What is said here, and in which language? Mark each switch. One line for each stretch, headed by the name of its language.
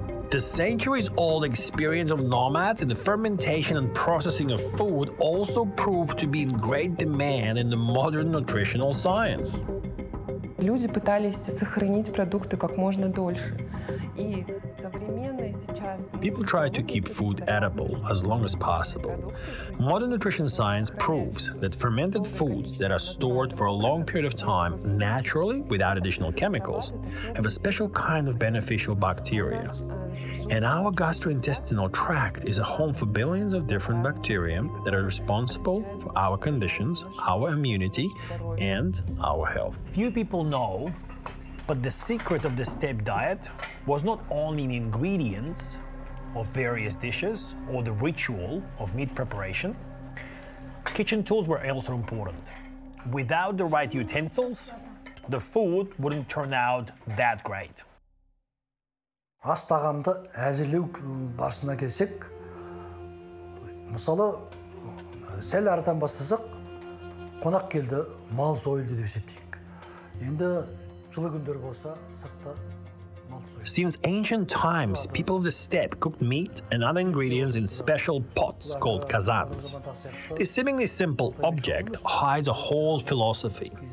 English: The centuries-old experience of nomads in the fermentation and processing of food also proved to be in great demand in the modern nutritional science.
Russian: Люди пытались сохранить продукты как можно дольше. И современные сейчас
English: People try to keep food edible as long as possible. Modern nutrition science proves that fermented foods that are stored for a long period of time naturally without additional chemicals have a special kind of beneficial bacteria. And our gastrointestinal tract is a home for billions of different bacteria that are responsible for our conditions, our immunity, and our health. Few people know, but the secret of the steppe diet was not only in ingredients of various dishes or the ritual of meat preparation. Kitchen tools were also important. Without the right utensils, the food wouldn't turn out that great.
Kazakh: Ас тағамды әзірлеу барысына келсек, мысалы, сәл арадан бастасақ, қонақ келді, мал сойылды деп есептейік. Енді жылы күндер болса, сыртта мал сойылды.
English: Since ancient times, people of the steppe cooked meat and other ingredients in special pots called kazans. This seemingly simple object hides a whole philosophy.